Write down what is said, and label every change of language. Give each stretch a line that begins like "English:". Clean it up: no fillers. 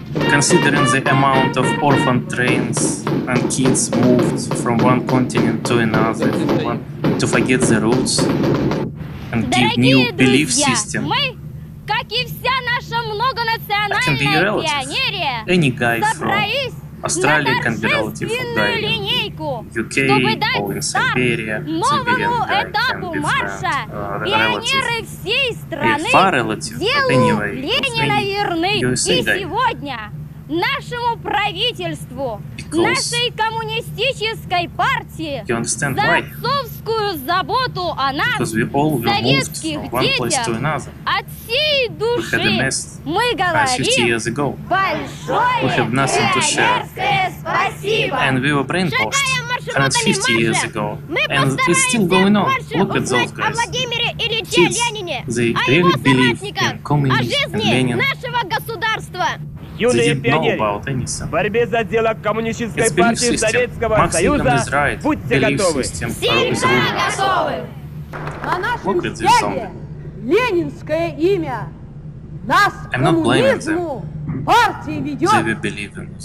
English: Considering the amount of orphan trains and kids moved from one continent to another to forget the roots and give new belief system, I can be a relative. Any guy from Australia can be a relative of guy in UK or in Siberia. Civilian guy can be relative. A far relative, but anyway, any USA guy.
Russian: Нашему правительству, нашей коммунистической партии, за отцовскую заботу о нас, советских детях, от всей души мы говорим большое пионерское спасибо.
English: And we were brainwashed 150 years ago. And it's still going on. Look at those guys. Kids, they really believe in communism and Lenin.
Russian: Юные пионеры, в борьбе за дело Коммунистической партии Советского Союза,
English: right.
Russian: Будьте готовы! Всегда готовы! На нашем стяге ленинское имя! Нас коммунизму партии ведет!